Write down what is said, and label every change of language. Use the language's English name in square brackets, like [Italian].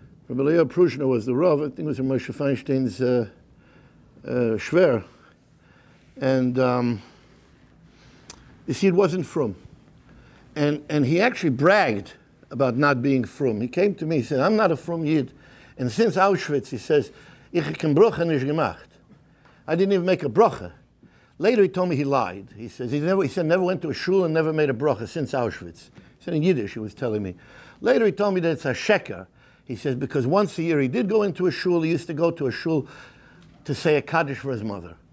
[English] Rabbi Leo Prushner was the Rav, I think it was Moshe Feinstein's Shver. And you see, it wasn't Frum. And he actually bragged about not being Frum. He came to me, he said, I'm not a Frum Yid. And since Auschwitz, he says, [Yiddish] Ich kein Brucha nicht gemacht. [English] I didn't even make a Brucha. Later he told me he lied. He says, he never went to a shul and never made a Brucha since Auschwitz. He said in Yiddish, he was telling me. Later he told me that it's a Sheker. He says, because once a year he did go into a shul, he used to go to a shul to say a Kaddish for his mother.